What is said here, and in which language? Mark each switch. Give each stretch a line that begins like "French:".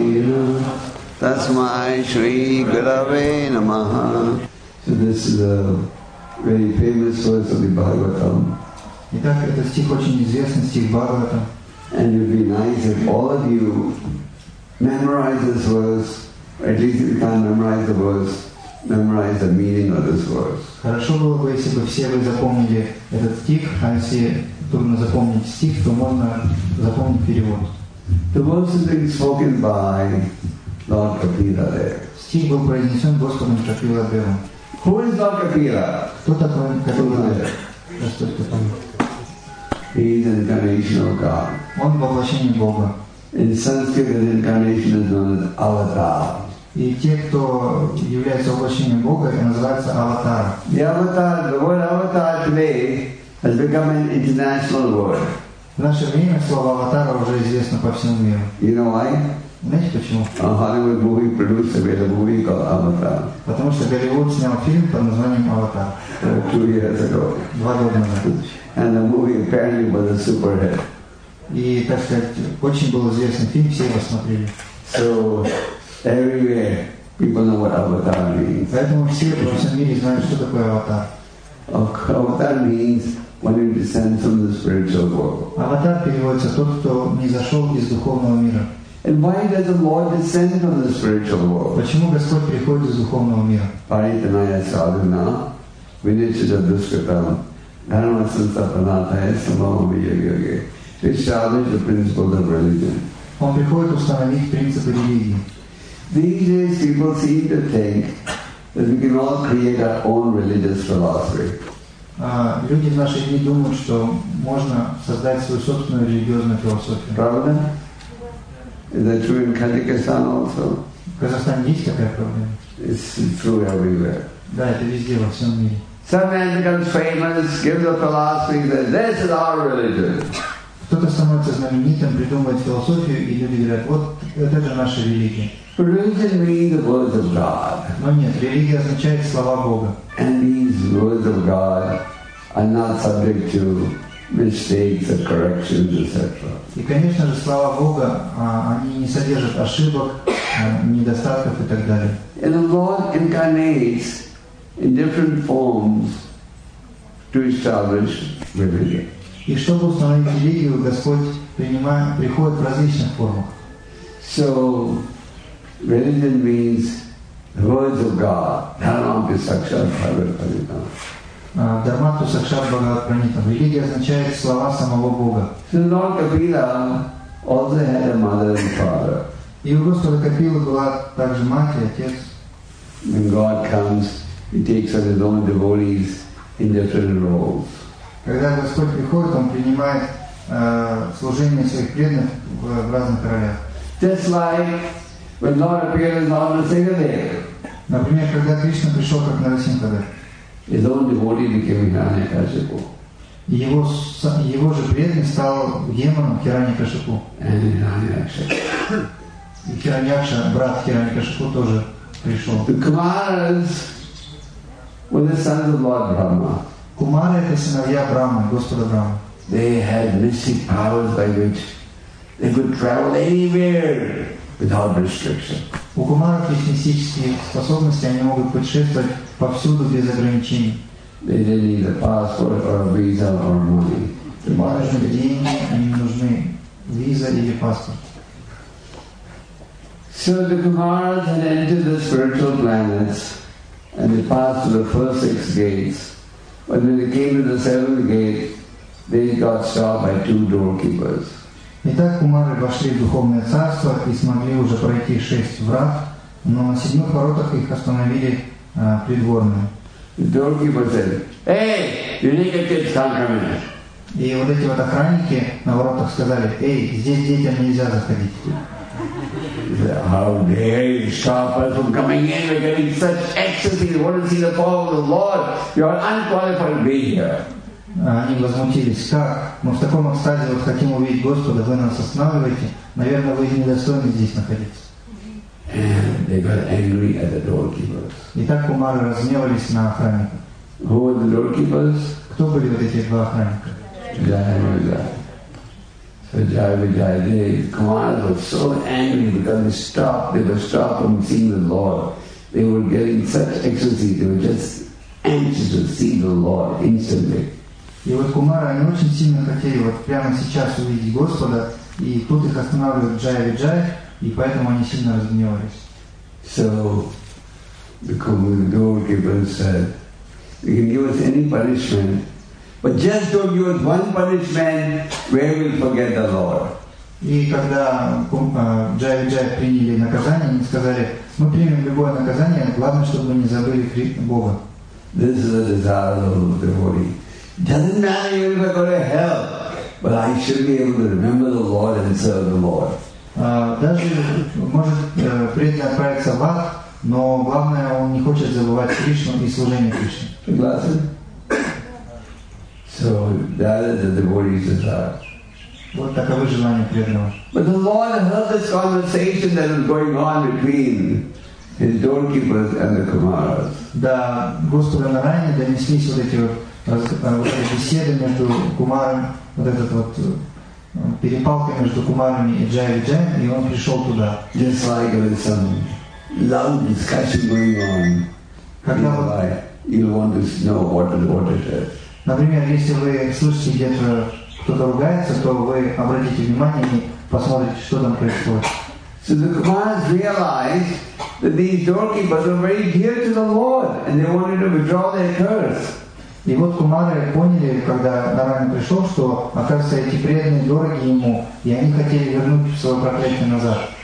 English: That's my
Sanskrit: Sri Gurave Namaha.
English: So this is a very famous verse of the Bhagavatam.
Russian: Итак, это стих очень известный, стих Бхагаватам.
English: And it would be nice if all of you memorize this verse, at least if you can't memorize the verse, memorize the meaning of this verse.
Russian: Хорошо было бы, если бы все вы запомнили этот стих, а если трудно запомнить стих, то можно запомнить перевод.
English: The verse is being spoken by Lord Kapila there.
Russian: Стих был произнесен Господом Капила Девом.
English: Who is Lord Kapila?
Russian: Кто такой Капила Дева?
English: He is an incarnation of God.
Russian: Он воплощение Бога.
English: In Sanskrit, his incarnation is known as avatar.
Russian: И те, кто является воплощением Бога, это называется аватар.
English: The avatar, the word avatar today has become an international word.
Russian: В наше время слово аватар уже известно по всему миру.
English: You know why?
Russian: Знаете почему?
English: A Hollywood movie producer made a movie called Avatar.
Russian: Потому что Голливуд снял фильм под названием Аватар.
English: 2 years ago.
Russian: 2 года назад.
English: And the movie apparently was a super hit.
Russian: И, так сказать, очень был известный фильм, все его смотрели.
English: So everywhere people know what Avatar means.
Russian: Поэтому все во всем мире знают, что такое Аватар.
English: Avatar means when you descend from the spiritual world.
Russian: Аватар переводится тот, кто не зашел из духовного мира.
English: And why does the Lord descend from the spiritual world?
Russian: Почему Господь приходит из духовного мира?
Sanskrit: Паританая садхана, Винишча Дускатам, Дхарма Сантапанатая Самама Йоги.
English: He established the principles of religion.
Russian: Он приходит установить принципы религии.
English: These days people seem to think that we can all create our own religious philosophy.
Russian: Люди в наши дни думают, что можно создать свою собственную религиозную философию. Правда?
English: Is that true in Kazakhstan also?
Russian: В Казахстане есть такая проблема.
English: It's true everywhere.
Russian: Да, это везде, во всем мире.
English: Some man becomes famous, gives a philosophy that this is our religion.
Russian: Кто-то становится знаменитым, придумывает философию, и люди говорят, вот это же наша религия.
English: But religion means the words of God.
Russian: Но нет, религия означает слова Бога.
English: And these words of God are not subject to mistakes or corrections, etc.
Russian: И, конечно же, слава Бога, они не содержат ошибок, недостатков и так далее.
English: And the Lord incarnates in different forms to establish religion.
Russian: И чтобы установить религию, Господь приходит в различных формах.
English: So, religion means the words of God.
Sanskrit: Dharmatu sakshat bhagavat pranitam. Dharmatu sakshat bhagavat pranitam.
Russian: Религия означает слова самого Бога.
English: So, Lord Kapila also had a mother and father.
Russian: И у Господа Капилы была также мать и отец.
English: When God comes, He takes on His own devotees in different roles.
Russian: Когда Господь приходит, Он принимает служение своих преданных в разных ролях.
English: Just like when Lord appeared as Narasimhadev.
Russian: Например, когда Кришна пришел как Нарасимхадев.
English: His own devotee became Hiranyakashipu.
Russian: Его же преданный стал демоном Хираньякашипу.
English: And Hiranyaksha.
Russian: И Хираньякша, брат Хираньякашипу, тоже пришел.
English: The Kumaras were the sons of Lord Brahma.
Russian: Кумары — это сыновья Брахмы, Господа Брахмы.
English: They had mystic powers by which they could travel anywhere without restriction.
Russian: У кумаров есть мистические способности, они могут путешествовать повсюду без ограничений.
English: They didn't need a passport or a visa or money.
Russian: Кумары нужны деньги, они нужны виза или паспорт.
English: So the Kumaras had entered the spiritual planets and they passed through the first 6 gates. But when they came to the 7th gate, they got stopped by 2 doorkeepers.
Russian: Итак, кумары вошли в духовное царство и смогли уже пройти 6 врат, Но на седьмых воротах их остановили придворные.
English: Donkey was there. Hey, you need your kids can't come in.
Russian: И вот эти вот охранники на воротах сказали: «Эй, здесь детям нельзя заходить».
English: How dare you stop us from coming in? We're getting such ecstasy. We want to see the power of the Lord. You are unqualified to be here.
Russian: Они возмутились: «Как? Мы в таком экстазе вот хотим увидеть Господа, вы нас останавливаете? Наверное, вы недостойны здесь находиться».
English: And they got angry at the doorkeepers.
Russian: И так кумары разгневались на охранников.
English: Who were the doorkeepers?
Russian: Кто были вот эти два охранника?
English: Jai Vijay. The kumaras were so angry because they were stopped from seeing the Lord. They were getting such ecstasy. They were just anxious to see the Lord instantly.
Russian: И вот кумары, они очень сильно хотели вот прямо сейчас увидеть Господа, и тут их останавливает Jai Vijay, и поэтому они сильно разгневались.
English: So the doorkeeper said, "You can give us any punishment, but just don't give us one punishment where we'll forget the Lord."
Russian: И когда Jai Vijay приняли наказание, они сказали: "Мы примем любое наказание, главное, чтобы мы не забыли Бога."
English: This is a desire of the devotee. Doesn't matter even if I go to hell, but I should be able to remember the Lord and serve the Lord.
Russian: Даже может преданный отправиться в ад, но главное, он не хочет забывать Кришну и служение Кришне. Согласен?
English: So that is the devotee's desire.
Russian: Вот таковы желания преданного.
English: But the Lord heard this conversation that was going on between his doorkeepers and the kumaras.
Russian: Да, Господу на Райне донеслись вот эти вот беседы между кумарами, вот этот вот перепалка между кумарами и Jai Vijay, и он пришел туда.
English: Just like there is some loud discussion going on.
Russian: Когда вот,
English: you'll want to know what it is.
Russian: Например, если вы слышите где-то кто-то ругается, то вы обратите внимание и посмотрите, что там происходит.
English: So the kumaras realized that these doorkeepers are very dear to the Lord, and they wanted to withdraw their curse.
Russian: И вот кумары поняли, когда Нараян пришел, что, оказывается, эти преданные дороги ему, и они хотели вернуть свое проклятие назад.